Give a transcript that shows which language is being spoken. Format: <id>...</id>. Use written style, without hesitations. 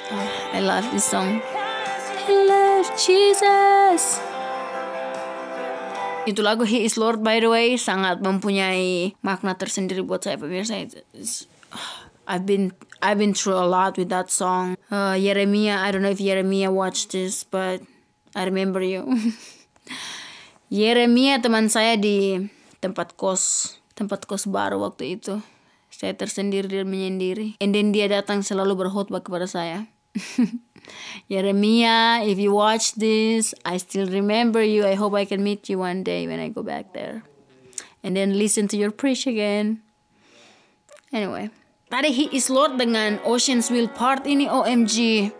<en>Oh, I love this song. Jesus.</en> <id>Itu lagu He is Lord, by the way, sangat mempunyai makna tersendiri buat saya, pemirsa.</id> <en>I've been through a lot with that song. Yeremia, I don't know if Yeremia watched this, but I remember you.</en> <id>Yeremia teman saya di tempat kos baru waktu itu. Saya tersendiri dan menyendiri. And then dia datang selalu berkhutbah kepada saya.</id> <en>Yeremia, if you watch this, I still remember you. I hope I can meet you one day when I go back there. And then listen to your preach again. Anyway.</en> <id>Tadi He is Lord dengan Oceans Will Part ini, OMG.</id>